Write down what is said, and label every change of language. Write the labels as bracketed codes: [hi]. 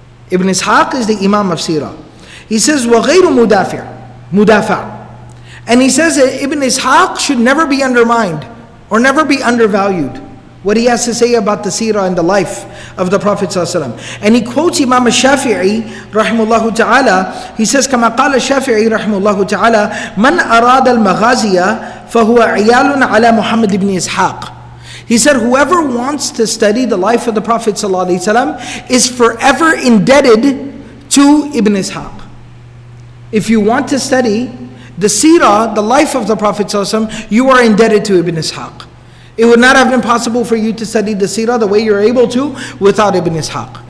[en] Ibn Ishaq is the imam of seerah. He says [ar] wa ghayru mudafi', mudafa'. [en] And he says that Ibn Ishaq should never be undermined or never be undervalued, what he has to say about the seerah and the life of the Prophet ﷺ. And he quotes Imam al-Shafi'i, rahimahullah ta'ala. He says, [ar] كما قال الشافعي رحمه تعالى, من أراد المغازية فهو عيال على محمد بن إسحاق. [en] He said, whoever wants to study the life of the Prophet ﷺ is forever indebted to Ibn Ishaq. If you want to study the seerah, the life of the Prophet ﷺ, you are indebted to Ibn Ishaq. It would not have been possible for you to study the seerah the way you're able to without Ibn Ishaq.